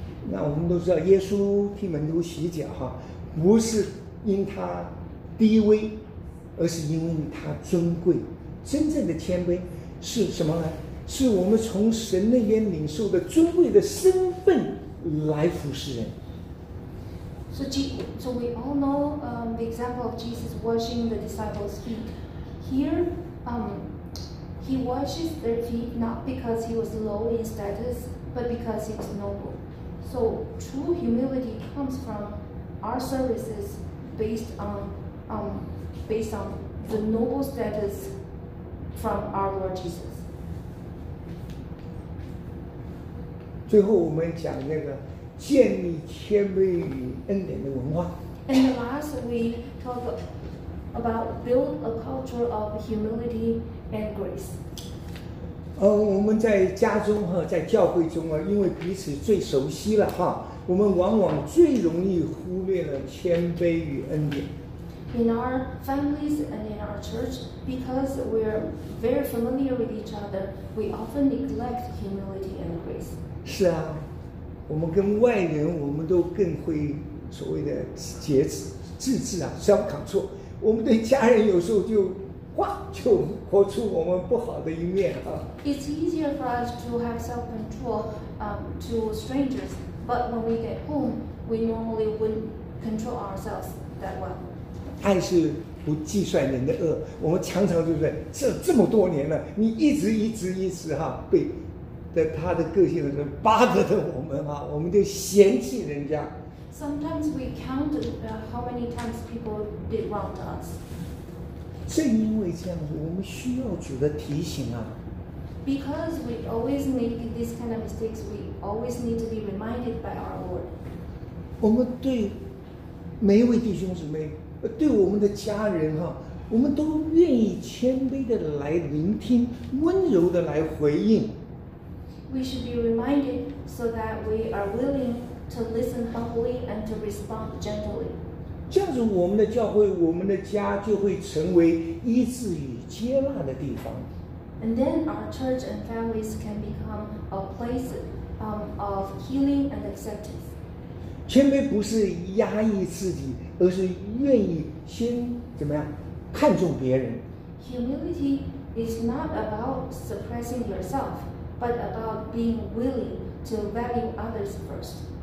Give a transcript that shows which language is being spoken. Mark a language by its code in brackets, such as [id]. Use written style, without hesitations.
[zh] 那我们都知道耶稣替门徒洗脚哈，不是因他低微，而是因为他尊贵。真正的谦卑是什么呢？是我们从神那边领受的尊贵的身份来服侍人。 [en] So we all know the example of Jesus washing the disciples' feet. Here, he washes their feet not because he was low in status, but because he was noble. So true humility comes from our services based on, based on the noble status from our Lord Jesus. [zh] 最后我们讲那个建立谦卑与恩典的文化。 [en] And last, we talk about build a culture of humility and grace. [zh] 我们在家中哈，在教会中啊，因为彼此最熟悉了哈，我们往往最容易忽略了谦卑与恩典。 [en] In our families and in our church, because we are very familiar with each other, we often neglect humility and grace. [zh] 是啊，我们跟外人，我们都更会所谓的节制、自制啊 ， [en] self control。 [zh] 我们对家人有时候就哇，就活出我们不好的一面啊。 [en] It's easier for us to have self control, to strangers, but when we get home, we normally wouldn't control ourselves that well. [zh] 爱是不计算人的恶，我们常常就是这么多年了，你一直哈被的他的个性的巴着的我们哈，我们就嫌弃人家。 [en] Sometimes we count how many times people did wrong to us. [zh] 正因为这样子，我们需要主的提醒啊。 [en] Because we always make these kind of mistakes, we always need to be reminded by our Lord. [zh] 我们对每一位弟兄姊妹。对我们的家人哈，我们都愿意谦卑的来聆听，温柔的来回应。 [en] We should be reminded so that we are willing to listen humbly and to respond gently. [zh] 这样子，我们的教会，我们的家就会成为医治与接纳的地方。 [en] And then our church and families can become a place of healing and acceptance. [zh] 谦卑不是压抑自己，而是愿意先怎么样看重别人。 [en] Humility is not about suppressing yourself, but about being willing to value others first.